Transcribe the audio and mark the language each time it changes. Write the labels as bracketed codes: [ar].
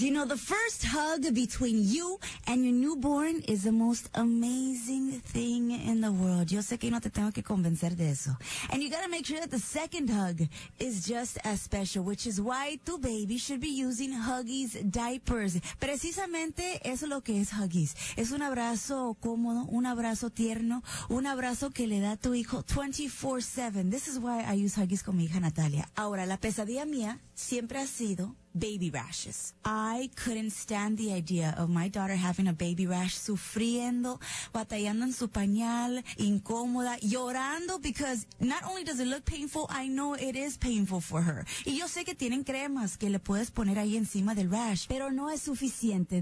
[en] You know, the first hug between you and your newborn is the most amazing thing in the world. [es] Yo sé que no te tengo que convencer de eso. [en] And you gotta make sure that the second hug is just as special, which is why tu baby should be using Huggies diapers. [es] Precisamente eso es lo que es Huggies. Es un abrazo cómodo, un abrazo tierno, un abrazo que le da tu hijo 24/7. [en] This is why I use Huggies [es] con mi hija Natalia. Ahora, la pesadilla mía siempre ha sido [en] baby rashes. I couldn't stand the idea of my daughter having a baby rash, [es] sufriendo, batallando en su pañal, incómoda, llorando, [en] because not only does it look painful, I know it is painful for her. [es] Y yo sé que tienen cremas que le puedes poner ahí encima del rash, pero no es suficiente.